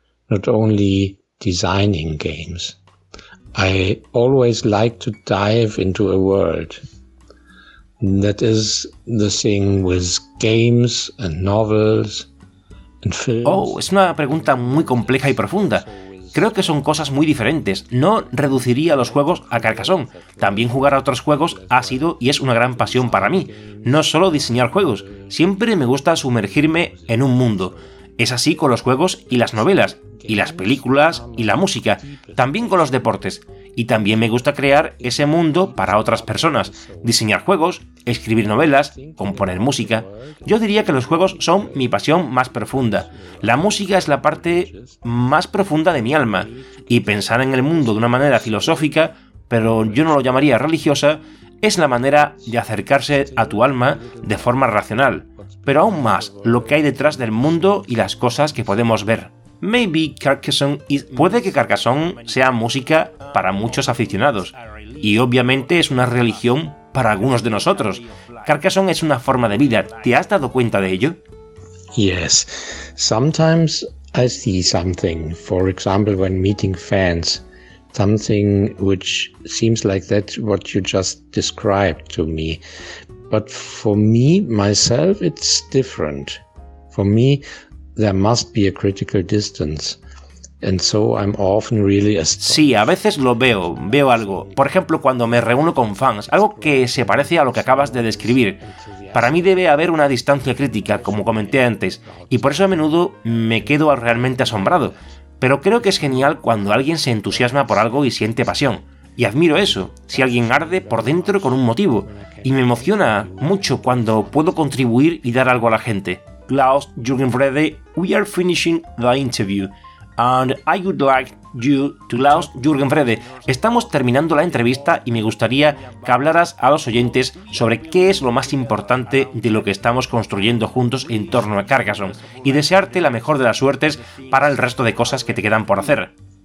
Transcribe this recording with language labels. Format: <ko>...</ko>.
<en>Not only designing games. I always like to dive into a world. That is the thing with games and novels and films.</en> <es>Oh, es una pregunta muy compleja y profunda. Creo que son cosas muy diferentes. No reduciría los juegos a Carcassonne. También jugar a otros juegos ha sido y es una gran pasión para mí. No solo diseñar juegos. Siempre me gusta sumergirme en un mundo. Es así con los juegos y las novelas, y las películas y la música, también con los deportes. Y también me gusta crear ese mundo para otras personas, diseñar juegos, escribir novelas, componer música. Yo diría que los juegos son mi pasión más profunda. La música es la parte más profunda de mi alma. Y pensar en el mundo de una manera filosófica, pero yo no lo llamaría religiosa, es la manera de acercarse a tu alma de forma racional. Pero aún más, lo que hay detrás del mundo y las cosas que podemos ver.</es> <en>Maybe Carcassonne is...</en> <es>Puede que Carcassonne sea música para muchos aficionados, y obviamente es una religión para algunos de nosotros. Carcassonne es una forma de vida, ¿te has dado cuenta de ello?</es> <en>Yes. Sometimes I see something, for example when meeting fans, something which seems like that what you just described to me. But for me, myself, it's different. For me, there must be a critical distance. And so I'm often really astonished.</en> <es>Sí, a veces lo veo, veo algo. Por ejemplo, cuando me reúno con fans, algo que se parece a lo que acabas de describir. Para mí debe haber una distancia crítica, como comenté antes, y por eso a menudo me quedo realmente asombrado. Pero creo que es genial cuando alguien se entusiasma por algo y siente pasión. Y admiro eso, si alguien arde por dentro con un motivo. Y me emociona mucho cuando puedo contribuir y dar algo a la gente.</es> <en>Klaus Jürgen Wrede, we are finishing the interview. And I would like you to Klaus Jürgen Wrede.</en> <es>Estamos terminando la entrevista y me gustaría que hablaras a los oyentes sobre qué es lo más importante de lo que estamos construyendo juntos en torno a Carcassonne. Y desearte la mejor de las suertes para el resto de cosas que te quedan por hacer.</es>